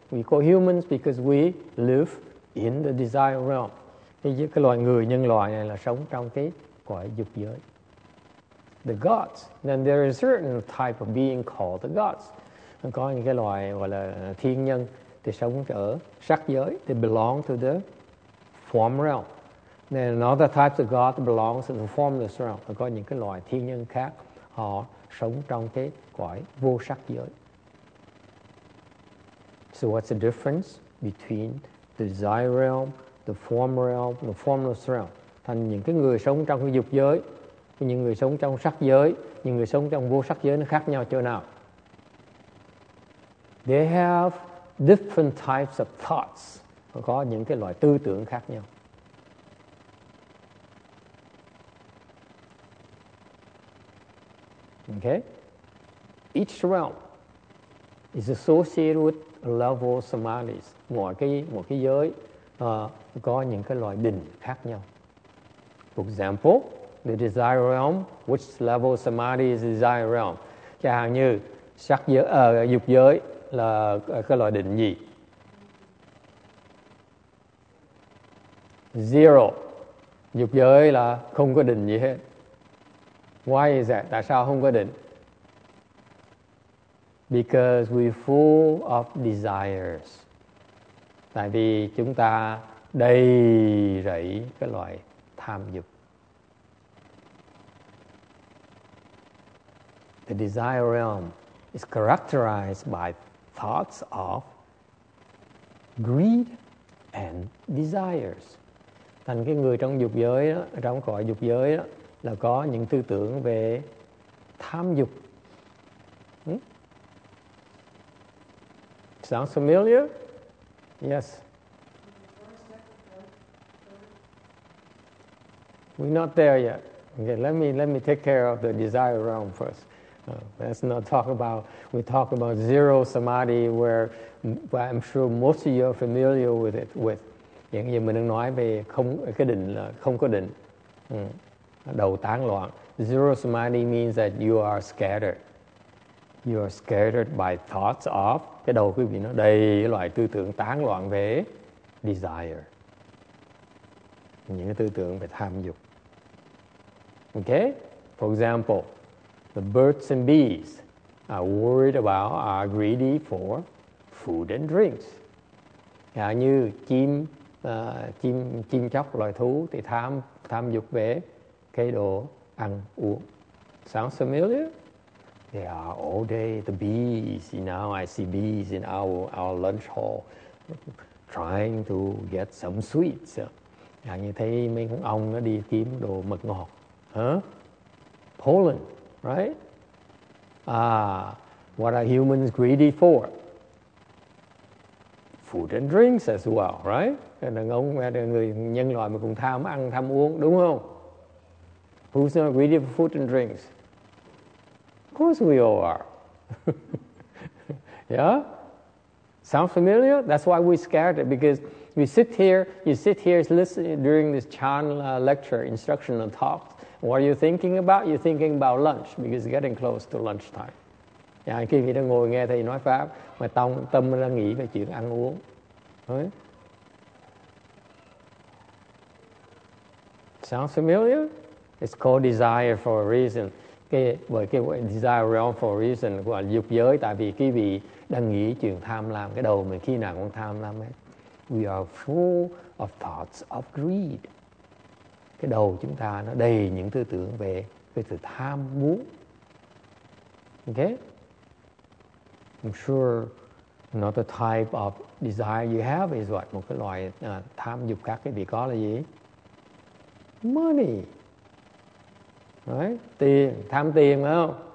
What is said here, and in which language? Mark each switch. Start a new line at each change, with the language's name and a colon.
English: We call humans because we live in the desire realm.
Vietnamese: Cái loài người, nhân loại này là sống trong cái quả dục giới.
English: The gods, then there is a certain type of being called the gods.
Vietnamese: Có những cái loài gọi là thiên nhân.
English: They
Vietnamese: sống ở sắc giới.
English: They belong to the form realm. Then another type of God belongs to the formless realm.
Vietnamese: Có những cái loài thiên nhân khác, họ sống trong cái cõi vô sắc giới.
English: So what's the difference between the desire realm, the form realm, the formless realm?
Vietnamese: Thành những cái người sống trong cái dục giới, những người sống trong sắc giới, những người sống trong vô sắc giới, nó khác nhau chỗ nào?
English: They have different types of thoughts.
Vietnamese: Có những cái loại tư tưởng khác nhau.
English: Okay? Each realm is associated with a level of samadhis.
Vietnamese: Mỗi cái giới có những cái loại định khác nhau.
English: For example, the desire realm, which level of samadhi is the desire realm?
Vietnamese: Chẳng hạn như sắc giới, dục giới là cái loại định gì? Zero. Dục giới là không có định gì hết.
English: Why is that?
Vietnamese: Tại sao không có định?
English: Because we're full of desires.
Vietnamese: Tại vì chúng ta đầy rẫy cái loại tham dục.
English: The desire realm is characterized by thoughts of greed and desires.
Vietnamese: Thành cái người trong dục giới đó, trong cõi dục giới đó, là có những tư tưởng về tham dục.
English: Sounds familiar? Yes. We're not there yet. Okay, let me take care of the desire realm first. Let's not talk about, we talk about zero samadhi where I'm sure most of you are familiar with it.
Vietnamese: Hiện giờ mình đang nói về không cái định là không có định. Đầu tán loạn.
English: Zero samadhi means that you are scattered. You are scattered by thoughts of,
Vietnamese: cái đầu quý vị nó đầy loại tư tưởng tán loạn về
English: desire.
Vietnamese: Những cái tư tưởng về tham dục.
English: Okay? For example, the birds and bees are worried about, are greedy for food and drinks.
Vietnamese: Hạ như chim, chim chóc loài thú thì tham dục về cái đồ ăn uống.
English: Sounds familiar? They are all day, the bees, you know, I see bees in our lunch hall trying to get some sweets.
Vietnamese: Hạ như thấy mấy con ong nó đi kiếm đồ mật ngọt.
English: Pollen, right? What are humans greedy for? Food and drinks as well, right?
Vietnamese: Đàn ông, người nhân loại mà cũng tham ăn, tham uống, đúng không?
English: Who's not greedy for food and drinks? Of course we all are. Yeah? Sound familiar? That's why we're scared, because we sit here, you sit here listening during this chan lecture, instructional talk. What are you thinking about? You're thinking about lunch, because it's getting close to lunchtime.
Vietnamese: Yeah, khi mình đang ngồi nghe thầy nói pháp, mà tâm đang nghĩ về chuyện ăn uống.
English: Right? Sounds familiar? It's called desire for a reason.
Vietnamese: Cái
English: desire realm for a reason,
Vietnamese: gọi là dục giới, tại vì quý vị đang nghĩ chuyện tham lam, cái đầu mình khi nào cũng tham lam ấy.
English: We are full of thoughts of greed.
Vietnamese: Cái đầu chúng ta nó đầy những tư tưởng về cái sự tham muốn.
English: Okay? I'm sure another type of desire you have is what?
Vietnamese: Một cái loại tham dục khác cái vị có là gì?
English: Money. Right?
Vietnamese: Tiền, tham tiền phải không?